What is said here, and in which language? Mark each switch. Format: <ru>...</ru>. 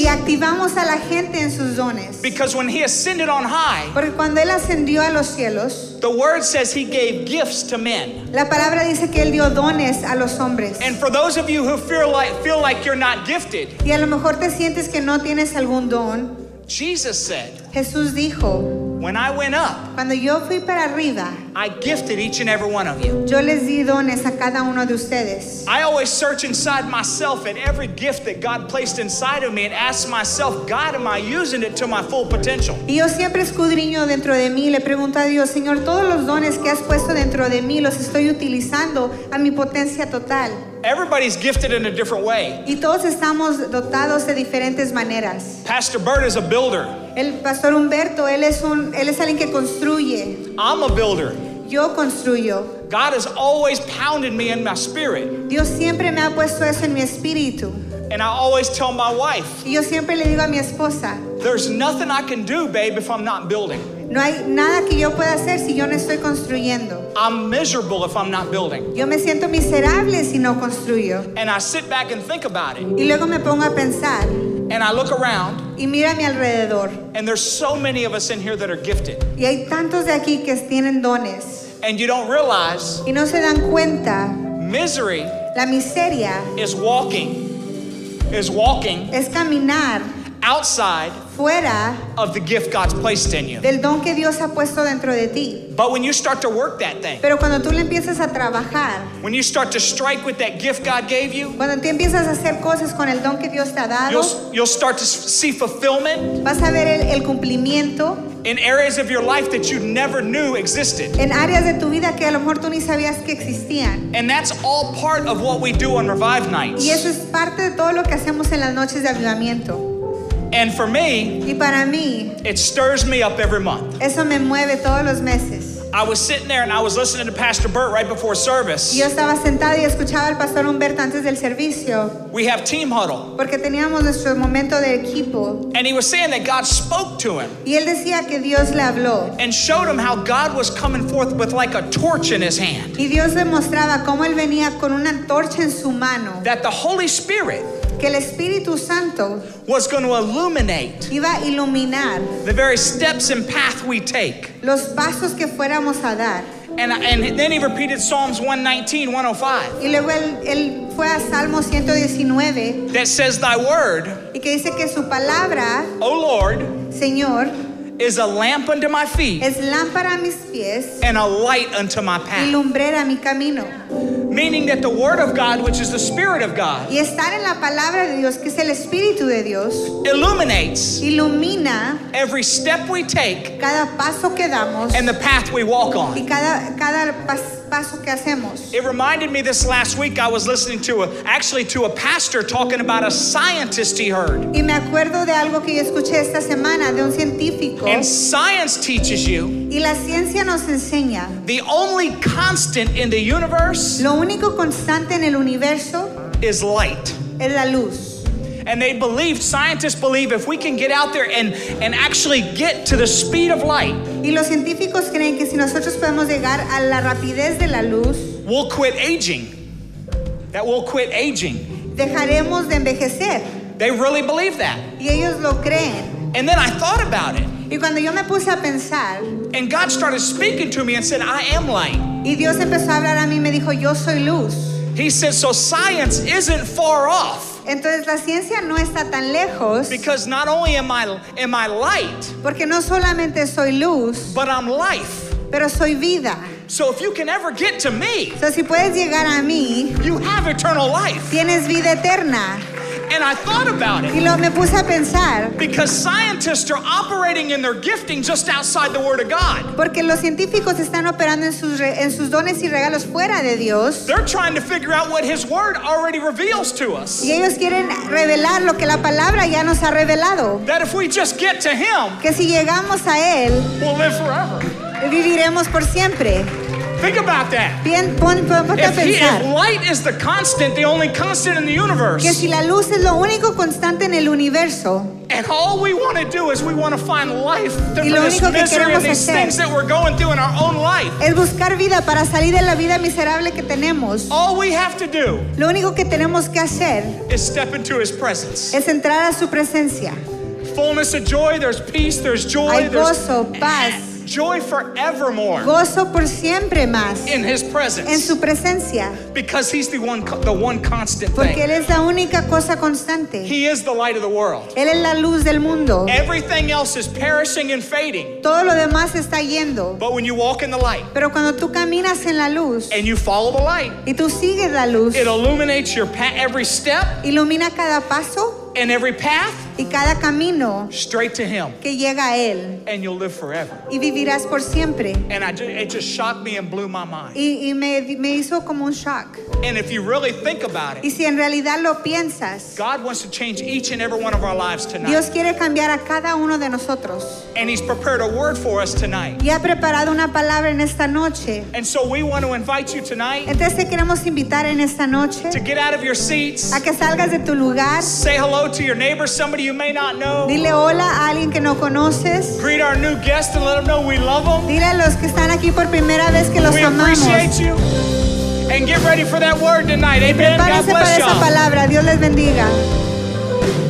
<es>Y activamos a la gente en sus dones.</es> <en>Because when He ascended on high.</en> <es>Porque cuando Él ascendió a los cielos.</es> <en>The word says He gave gifts to men.</en> <es>La palabra dice que Él dio dones a los hombres.</es> <en>And for those of you who feel like you're not gifted.</en> <es>Y a lo mejor te sientes que no tienes algún don.</es> <en>Jesus said,</en> <es>Jesús dijo,</es> <en>when I went up,</en> <es>cuando yo fui para arriba,</es> <en>I gifted each and every one of you.</en> <es>Yo les di dones a cada uno de ustedes.</es> <en>I always search inside myself at every gift that God placed inside of me and ask myself, God, am I using it to my full potential?</en> <es>Y yo siempre escudriño dentro de mí y le pregunto a Dios, Señor, todos los dones que has puesto dentro de mí, ¿los estoy utilizando a mi potencia total?</es> <en>Everybody's gifted in a different way.</en> <es>Y todos estamos dotados de diferentes maneras.</es> <en>Pastor Bert is a builder.</en> <es>El Pastor Humberto, él es alguien que construye.</es> <en>I'm a builder.</en> <es>Yo construyo.</es> <en>God has always pounded me in my spirit.</en> <es>Dios siempre me ha puesto eso en mi espíritu.</es> <en>And I always tell my wife.</en> <es>Y yo siempre le digo a mi esposa.</es> <en>There's nothing I can do, babe, if I'm not building.</en> <es>No hay nada que yo pueda hacer si yo no estoy construyendo.</es> <en>I'm miserable if I'm not building.</en> <es>Yo me siento miserable si no construyo.</es> <en>And I sit back and think about it.</en> <es>Y luego me pongo a pensar.</es> <en>And I look around.</en> <es>Y mira a mi alrededor.</es> <en>And there's so many of us in here that are gifted.</en> <es>Y hay tantos de aquí que tienen dones.</es> <en>And you don't realize.</en> <es>Y no se dan cuenta.</es> <en>Misery.</en> <es>La miseria.</es> <en>Is walking. Is walking.</en> <es>Es caminar.</es> <en>Outside.</en> <es>Fuera</es> <en>of the gift God's placed in you.</en> <es>Del don que Dios ha puesto dentro de ti.</es> <en>But when you start to work that thing.</en> <es>Pero cuando tú le empiezas a trabajar.</es> <en>When you start to strike with that gift God gave you.</en> <es>Cuando tú empiezas a hacer cosas con el don que Dios te ha dado.</es> <en>You'll start to see fulfillment.</en> <es>Vas a ver el cumplimiento.</es> <en>In areas of your life that you never knew existed.</en> <es>En áreas de tu vida que a lo mejor tú ni sabías que existían.</es> <en>And that's all part of what we do on Revive Nights.</en> <es>Y eso es parte de todo lo que hacemos en las noches de avivamiento.</es> <en>And for me,</en> <es>y para mí,</es> <en>it stirs me up every month.</en> <es>Eso me mueve todos los meses.</es> <en>I was sitting there and I was listening to Pastor Bert right before service.</en> <es>Yo estaba sentado y escuchaba al Pastor Humberto antes del servicio.</es> <en>We have team huddle.</en> <es>Porque teníamos nuestro momento de equipo.</es> <en>And he was saying that God spoke to him.</en> <es>Y él decía que Dios le habló.</es> <en>And showed him how God was coming forth with like a torch in his hand.</en> <es>Y Dios le mostraba cómo él venía con una antorcha en su mano.</es> <en>That the Holy Spirit.</en> <es>Que el Espíritu Santo</es> <en>was going to illuminate</en> <es>iba a iluminar</es> <en>the very steps and path we take.</en> <es>Los pasos que fuéramos a dar.</es> <en>And then he repeated Psalms 119, 105.</en> <es>Y luego él fue a Salmo 119.</es> <en>That says thy word.</en> <es>Y que dice que su palabra.</es> <en>O Lord.</en> <es>Señor.</es> <en>Is a lamp unto my feet.</en> <es>Es lámpara a mis pies.</es> <en>And a light unto my path.</en> <es>Y lumbrera mi camino.</es> <en>meaning that the Word of God, which is the Spirit of God,</en> <es>y estar en la palabra de Dios, que es el Espíritu de Dios,</es> <en>illuminates,</en> <es>ilumina,</es> <en>every step we take,</en> <es>cada paso que damos,</es> <en>and the path we walk on.</en> <es>Y cada paso que hacemos.</es> <en>It reminded me this last week, I was listening to a pastor talking about a scientist he heard.</en> <es>Y me acuerdo de algo que yo escuché esta semana, de un científico.</es> <en>And science teaches you,</en> <es>y la ciencia nos enseña,</es> <en>the only constant in the universe,</en> <es>lo único constante en el universo,</es> <en>is light,</en> <es>es la luz.</es> <en>And they believe, scientists believe, if we can get out there and actually get to the speed of light,</en> <es>y los científicos creen que si nosotros podemos llegar a la rapidez de la luz,</es> <en>we'll quit aging. That we'll quit aging.</en> <es>Dejaremos de envejecer.</es> <en>They really believe that.</en> <es>Y ellos lo creen.</es> <en>And then I thought about it.</en> <es>Y cuando yo me puse a pensar,</es> <en>and God started speaking to me and said, I am light.</en> <es>Y Dios empezó a hablar a mí y me dijo, yo soy luz.</es> <en>He said, so science isn't far off.</en> <es>Entonces la ciencia no está tan lejos.</es> <en>Because not only am I light,</en> <es>porque no solamente soy luz,</es> <en>but I'm life.</en> <es>Pero soy vida.</es> <en>So if you can ever get to me,</en> <es>so si puedes llegar a mí,</es> <en>you have eternal life.</en> <es>Tienes vida eterna.</es> <en>And I thought about it.</en> <es>Y lo me puse a pensar.</es> <en>Because scientists are operating in their gifting just outside the Word of God.</en> <es>Porque los científicos están operando en sus dones y regalos fuera de Dios.</es> <en>They're trying to figure out what His Word already reveals to us.</en> <es>Y ellos quieren revelar lo que la palabra ya nos ha revelado.</es> <en>That if we just get to Him,</en> <es>que si llegamos a Él,</es> <en>we'll live forever.</en> <es>Viviremos por siempre.</es> <en>Think about that. If light is the constant, the only constant in the universe,</en> <es>que si la luz es lo único constante en el universo,</es> <en>and all we want to do is we want to find life through this misery and these things that we're going through in our own life,</en> <es>es buscar vida para salir de la vida miserable que tenemos.</es> <en>All we have to do,</en> <es>lo único que tenemos que hacer,</es> <en>is step into His presence.</en> <es>Es entrar a su presencia.</es> <en>Fullness of joy, there's peace, there's joy,</en> <es>hay gozo, paz.</es> <en>Joy forevermore.</en> <es>Gozo por siempre más.</es> <en>In His presence.</en> <es>En su presencia.</es> <en>Because He's the one constant thing.</en> <es>Porque él es la única cosa constante.</es> <en>He is the light of the world.</en> <es>Él es la luz del mundo.</es> <en>Everything else is perishing and fading.</en> <es>Todo lo demás está yendo.</es> <en>But when you walk in the light.</en> <es>Pero cuando tú caminas en la luz.</es> <en>And you follow the light.</en> <es>Y tú sigues la luz.</es> <en>It illuminates your path, every step.</en> <es>Ilumina cada paso.</es> <en>And every path,</en> <es>y cada camino,</es> <en>straight to Him,</en> <es>que llega a Él,</es> <en>and you'll live forever.</en> <es>Y vivirás por siempre.</es> <en>And it just shocked me and blew my mind.</en> <es>Y me hizo como un shock.</es> <en>And if you really think about it,</en> <es>y si en realidad lo piensas,</es> <en>God wants to change each and every one of our lives tonight.</en> <es>Dios quiere cambiar a cada uno de nosotros.</es> <en>And He's prepared a word for us tonight.</en> <es>Y ha preparado una palabra en esta noche.</es> <en>And so we want to invite you tonight.</en> <es>Entonces te queremos invitar en esta noche.</es> <en>To get out of your seats.</en> <es>A que salgas de tu lugar.</es> <en>Say hello. Hello to your neighbor, somebody you may not know.</en> <es>Dile hola a alguien que no conoces.</es> <en>Greet our new guests and let them know we love them.</en> <es>Dile a los que están aquí por primera vez que los amamos.</es> <en>We appreciate you. And get ready for that word tonight. Amen. God bless y'all.</en> <es>Prepárense para esa palabra. Dios les bendiga.</es>